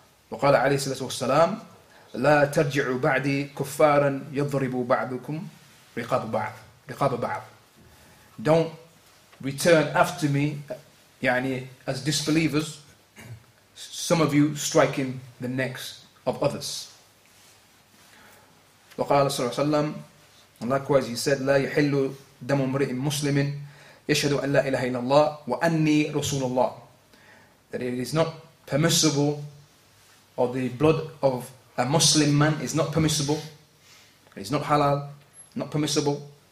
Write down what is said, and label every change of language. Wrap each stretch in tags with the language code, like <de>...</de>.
<ar>وقال عليه الصلاة والسلام, لا ترجع بعدي كفارا يضرب بعضكم رقاب بعض, رقاب بعض.</ar> <en>Don't return after me, يعني as disbelievers, some of you striking the necks of others.</en> <ar>وقال صلى الله عليه وسلم,</ar> <en>and likewise he said,</en> <ar>لا يحل دم امرئ مسلم يشهد أن لا إله إلا الله وأني رسول الله.</ar> <en>That it is not permissible, or the blood of a Muslim man is not permissible, it's not halal, not permissible.</en>